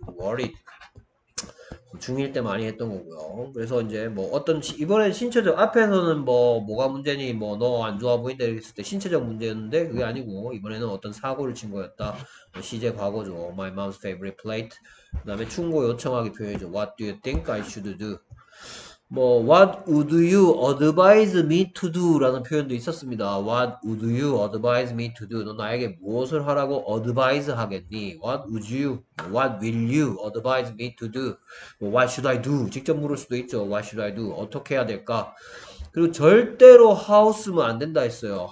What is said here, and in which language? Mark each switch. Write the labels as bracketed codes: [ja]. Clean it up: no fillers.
[ko] worried 중1 때 많이 했던 거고요. 그래서 이제 뭐 어떤 이번엔 신체적 앞에서는 뭐가 문제니? 뭐너안 좋아 보인다 이랬을 때 신체적 문제였는데 그게 아니고 이번에는 어떤 사고를 친 거였다. 시제 과거죠. [en] My mom's favorite plate. [ko] 그 다음에 충고 요청하기 표현이죠. [en] What do you think I should do? 뭐, What would you advise me to do? [ko] 라는 표현도 있었습니다. [en] What would you advise me to do? [ko] 너 나에게 무엇을 하라고 advise 하겠니? [en] What would you, what will you advise me to do? 뭐, what should I do? [ko] 직접 물을 수도 있죠. [en] What should I do? [ko] 어떻게 해야 될까? 그리고 절대로 how 쓰면 안 된다 했어요.